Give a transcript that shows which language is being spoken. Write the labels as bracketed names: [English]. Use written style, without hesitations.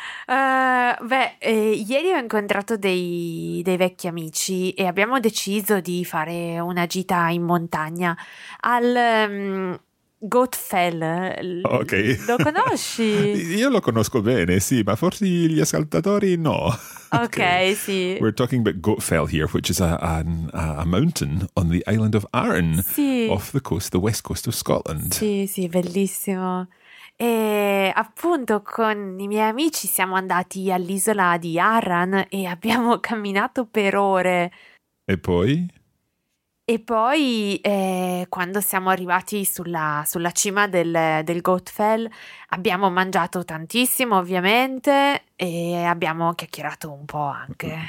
[Italian] Ieri ho incontrato dei vecchi amici e abbiamo deciso di fare una gita in montagna al Gottfell. Ok. Lo conosci? Io lo conosco bene, sì, ma forse gli ascoltatori no. Okay, sì. [English] We're talking about Gottfell here, which is a mountain on the island of Arran, [Italian] sì. [English] Off the coast, the west coast of Scotland. [Italian] Sì, sì, bellissimo. E appunto con i miei amici siamo andati all'isola di Arran e abbiamo camminato per ore. E poi? E poi quando siamo arrivati sulla cima del Gottfell abbiamo mangiato tantissimo ovviamente e abbiamo chiacchierato un po' anche.